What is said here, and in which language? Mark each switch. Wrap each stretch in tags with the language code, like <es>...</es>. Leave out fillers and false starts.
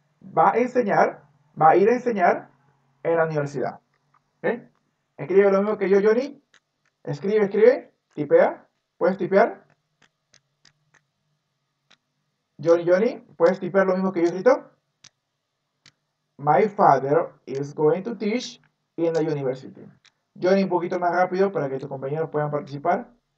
<es>Va a enseñar, va a ir a enseñar en la universidad. ¿Ok? ¿Escribe lo mismo que yo, Johnny? Escribe, escribe. Tipea. ¿Puedes tipear? Johnny, ¿puedes tipear lo mismo que yo he escrito?</es> <en>My father is going to teach in the university.</en> <es>Johnny, un poquito más rápido para que tus compañeros puedan participar.</es>